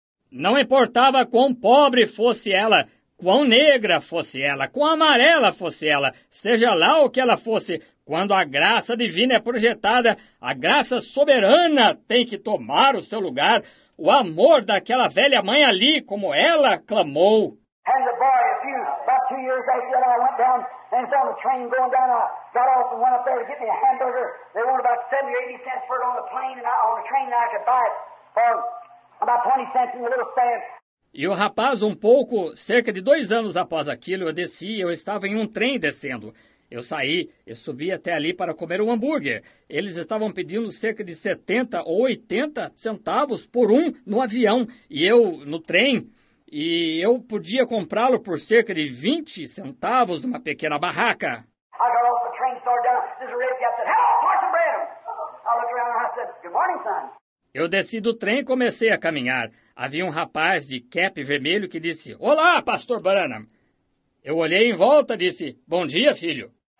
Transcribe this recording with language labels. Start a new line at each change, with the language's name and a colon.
Portuguese: Não importava quão pobre fosse ela, quão negra fosse ela, quão amarela fosse ela, seja lá o que ela fosse, quando a graça divina é projetada, a graça soberana tem que tomar o seu lugar, o amor daquela velha mãe ali, como ela clamou.
English: And the boy, about 2 years after that, I went down and saw the train going down. I got off and went up there to get me a hamburger. They wanted about 70 or 80 cents for it on the plane and on the train, and I could buy it for about 20 cents in the little stand.
Portuguese: E o rapaz, um pouco, cerca de 2 anos após aquilo, eu desci e eu estava em um trem descendo. Eu saí e subi até ali para comer um hambúrguer. Eles estavam pedindo cerca de 70 ou 80 centavos por um no avião. E eu, no trem, e eu podia comprá-lo por cerca de 20 centavos numa pequena barraca.
English: I got off the train, started down. This is a red guy. I said, hello, Parson Branham. I looked around and I said, good morning, son.
Portuguese: Eu desci do trem e comecei a caminhar. Havia um rapaz de cap vermelho que disse, olá, Pastor Branham. Eu olhei em volta e disse, bom dia, filho.